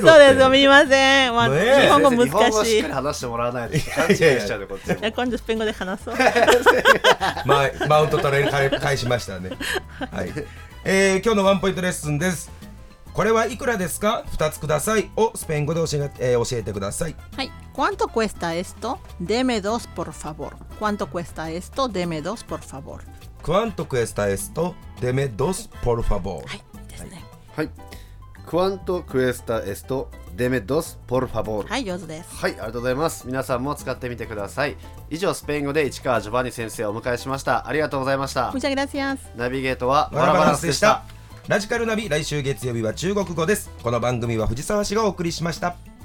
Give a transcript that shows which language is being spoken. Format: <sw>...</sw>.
<ja>って。そうです、すみません、まあ、ね、日本語難しい。日本語しっかり話してもらわないで勘違いしちゃうで、こっち今度スペイン語で話そう、まあ、マウント取られ返しましたね。はい、今日のワンポイントレッスンです。これはいくらですか？2つくださいをスペイン語で教えてください。</ja> <es>はい、 ¿Cuánto cuesta esto? Deme dos, por favor. ¿Cuánto cuesta esto? Deme dos, por favor. ¿Cuánto cuesta esto? Deme dos, por favor.</es> <ja>はい、ですね。</ja> <es>はい、 ¿Cuánto cuesta esto? Deme dos, por favor.</es> <ja>はい、上手です。はい、ありがとうございます。皆さんも使ってみてください。以上、スペイン語で市川ジョバニ先生をお迎えしました。ありがとうございました。</ja> <es>Muchas gracias.</es> <ja>ナビゲートはワラバランスでした。ラジカルナビ、来週月曜日は中国語です。この番組は藤沢市がお送りしました。</ja>